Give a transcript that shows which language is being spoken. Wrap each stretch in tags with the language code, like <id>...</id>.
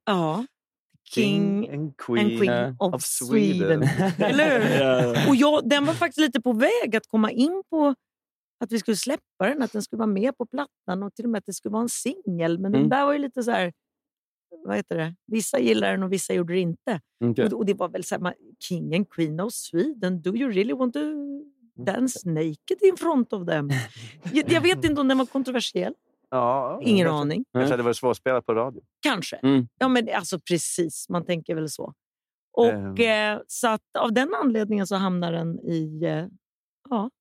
<sv>Ja.</sv> <en>Ah. King and Queen, of Sweden.</en> <sv>Eller hur?</sv> <en>Yeah.</en> <sv>Och jag, den var faktiskt lite på väg att komma in på... Att vi skulle släppa den, att den skulle vara med på plattan och till och med att det skulle vara en singel. Men den där var ju lite så här, vad heter det? Vissa gillar den och vissa gjorde det inte.</sv> <en>Okay.</en> <sv>Och det var väl så här,</sv> <en>King and Queen of Sweden, do you really want to dance naked in front of them?</en> <sv>Jag vet inte om den var kontroversiell. Ja, ingen aning. Kanske hade det varit svårt att spela på radio. Kanske. Ja, men alltså precis, man tänker väl så. Och så att av den anledningen så hamnar den i, ja.</sv>